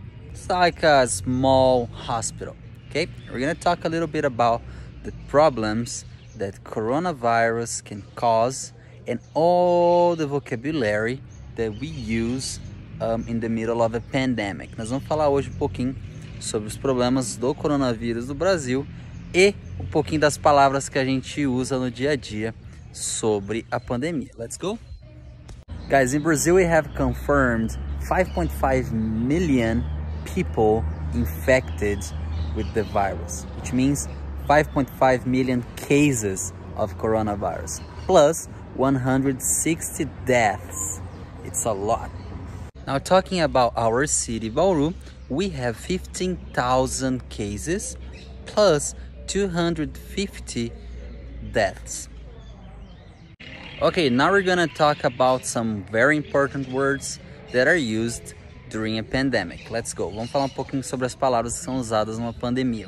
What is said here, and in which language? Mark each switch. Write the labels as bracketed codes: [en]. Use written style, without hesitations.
[en] It's like a small hospital. Okay, we're gonna talk a little bit about the problems that coronavirus can cause and all the vocabulary that we use in the middle of a pandemic. [pt] Nós vamos falar hoje um pouquinho sobre os problemas do coronavírus no Brasil e um pouquinho das palavras que a gente usa no dia a dia sobre a pandemia. [en] Let's go! Guys, in Brazil, we have confirmed 5.5 million people infected with the virus, which means 5.5 million cases of coronavirus, plus 160 deaths. It's a lot. Now, talking about our city, Bauru, we have 15,000 cases, plus 250 deaths. Okay, now we're gonna talk about some very important words that are used during a pandemic. Let's go. [pt] Vamos falar um pouquinho sobre as palavras que são usadas numa pandemia.